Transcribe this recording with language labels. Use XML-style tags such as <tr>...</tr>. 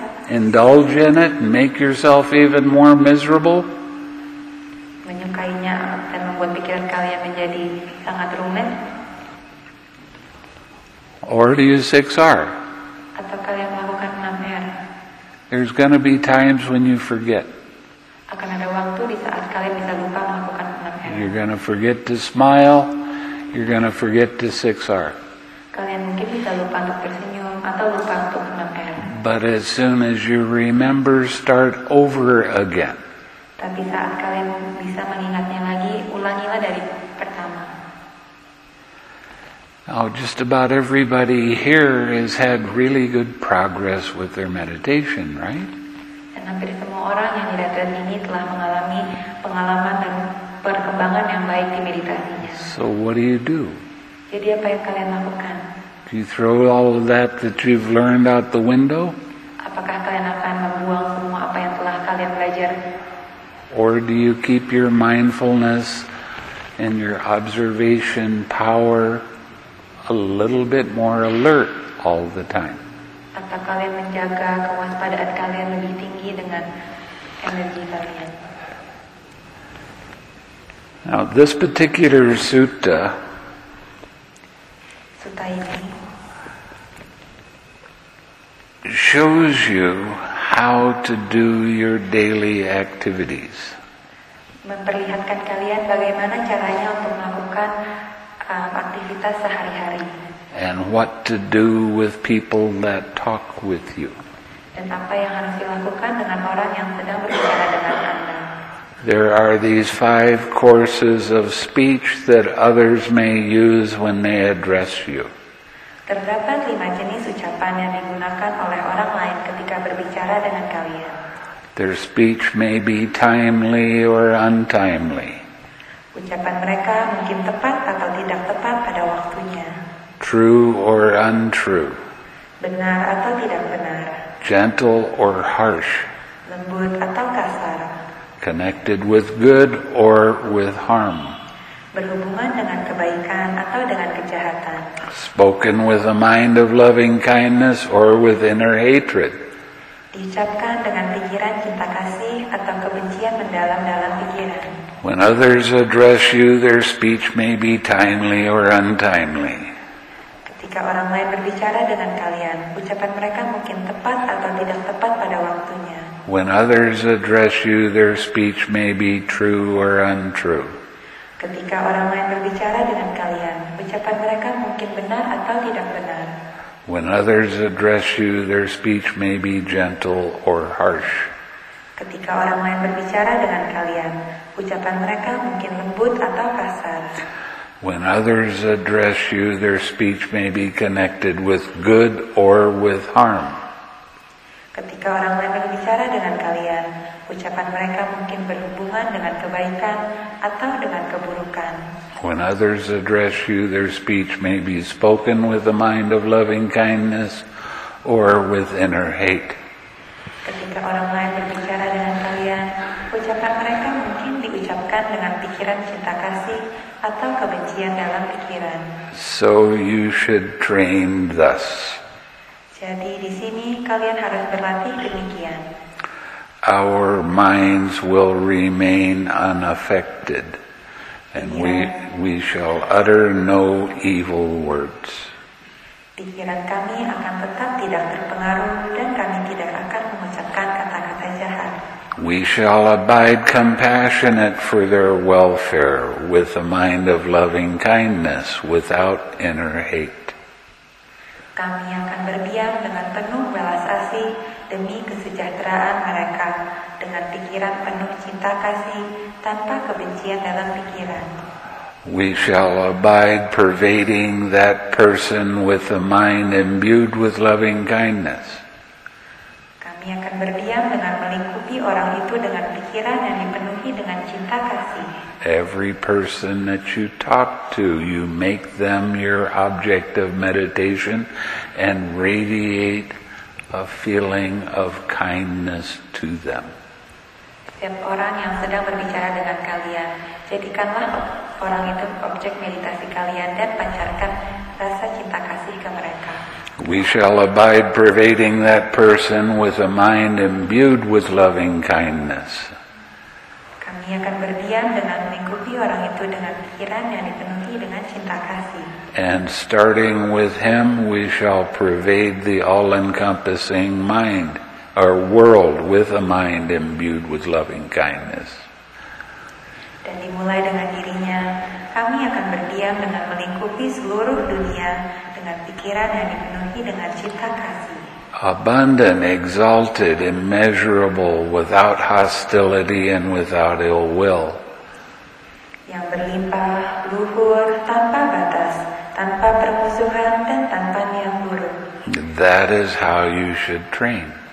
<en>indulge in it and make yourself even more miserable?</en> <id>Menyukainya akan membuat pikiran kalian menjadi sangat rumit.</id> <en>Or do you 6R?</en> <id>Atau kalian melakukan 6R?</id> <en>There's going to be times when you forget.</en> <id>Akan ada waktu di saat kalian bisa lupa melakukan 6R.</id> <en>You're going to forget to smile. You're going to forget to 6R.</en> <id>Kalian mungkin bisa lupa untuk tersenyum atau lupa untuk 6R.</id> <en>But as soon as you remember, start over again.</en> <id>Tapi saat kalian bisa mengingatnya lagi, ulangilah dari pertama.</id> <en>Now, just about everybody here has had really good progress with their meditation, right?</en> <id>Dan hampir semua orang yang di retret ini telah mengalami pengalaman dan perkembangan yang baik di meditasinya.</id> <en>So what do you do?</en> <id>Jadi apa yang kalian lakukan?</id> <en>Do you throw all of that you've learned out the window?</en> <id>Apakah kalian akan membuang semua apa yang telah kalian belajar?</id> <en>Or do you keep your mindfulness and your observation power a little bit more alert all the time?</en> <id>Atau kalian menjaga kewaspadaan kalian lebih tinggi dengan energi kalian?</id> <en>Now this particular sutta.</en> <id>Sutta ini</id> <en>shows you how to do your daily activities.</en> <id>Memperlihatkan kalian bagaimana caranya untuk melakukan aktivitas sehari-hari.</id> <en>And what to do with people that talk with you.</en> <id>Dan apa yang harus dilakukan dengan orang yang sedang berbicara dengan Anda.</id> <en>There are these 5 courses of speech that others may use when they address you.</en> <id>Terdapat 5 jenis ucapan yang digunakan oleh orang lain ketika berbicara dengan kalian.</id> <en>Their speech may be timely or untimely.</en> <id>Ucapan mereka mungkin tepat atau tidak tepat pada waktunya.</id> <en>True or untrue.</en> <id>Benar atau tidak benar.</id> <en>Gentle or harsh.</en> <id>Lembut atau kasar.</id> <en>Connected with good or with harm.</en> <id>Berhubungan dengan kebaikan atau dengan kejahatan.</id> <en>Spoken with a mind of loving kindness or with inner hatred.</en> <id>Diucapkan dengan pikiran cinta kasih atau kebencian mendalam dalam pikiran.</id> <en>When others address you, their speech may be timely or untimely.</en> <id>Ketika orang lain berbicara dengan kalian, ucapan mereka mungkin tepat atau tidak tepat pada waktunya.</id> <en>When others address you, their speech may be true or untrue.</en> <id>Ketika orang lain berbicara dengan kalian, ucapan mereka mungkin benar atau tidak benar.</id> <en>When others address you, their speech may be gentle or harsh.</en> <id>Ketika orang lain berbicara dengan kalian, ucapan mereka mungkin lembut atau kasar.</id> <en>When others address you, their speech may be connected with good or with harm.</en> <id>Ketika orang lain berbicara dengan kalian, ucapan mereka mungkin berhubungan dengan kebaikan atau dengan keburukan.</id> <en>When others address you, their speech may be spoken with a mind of loving kindness or with inner hate.</en> <id>Ketika orang lain berbicara dengan kalian, ucapan mereka mungkin diucapkan dengan pikiran cinta kasih atau kebencian dalam pikiran.</id> <en>So you should train thus.</en> <id>Jadi di sini kalian harus berlatih demikian.</id> <en>Our minds will remain unaffected, and we shall utter no evil words.</en> <id>Pikiran kami akan tetap tidak terpengaruh dan kami tidak akan mengucapkan kata-kata jahat.</id> <en>We shall abide compassionate for their welfare with a mind of loving kindness without inner hate.</en> <id>Kami akan berdiam dengan penuh belas kasih demi kesejahteraan mereka dengan pikiran penuh cinta kasih tanpa kebencian dalam pikiran.</id> <en>We shall abide pervading that person with a mind imbued with loving kindness.</en> <id>Kami akan berdiam dengan melingkupi orang itu dengan pikiran yang dipenuhi dengan cinta kasih.</id> <en>Every person that you talk to, you make them your object of meditation and radiate a feeling of kindness to them.</en> <id>Setiap orang yang sedang berbicara dengan kalian, jadikanlah orang itu objek meditasi kalian dan pancarkan rasa cinta kasih ke mereka.</id> <en>We shall abide pervading that person with a mind imbued with loving kindness.</en> <id>Kami akan berdiam dengan mengikuti orang itu dengan pikiran yang dipenuhi dengan cinta kasih.</id> <en>And starting with him, we shall pervade the all-encompassing mind, our world, with a mind imbued with loving kindness.</en> <id>Dan dimulai dengan dirinya, kami akan berdiam dengan melingkupi seluruh dunia dengan pikiran yang dipenuhi dengan cinta kasih.</id> <en>Abundant, exalted, immeasurable, without hostility and without ill will.</en> <id>Yang berlimpah, luhur, tanpa batas, tanpa permusuhan, dan tanpa niat buruk.</id> <en>That is how you should train.</en>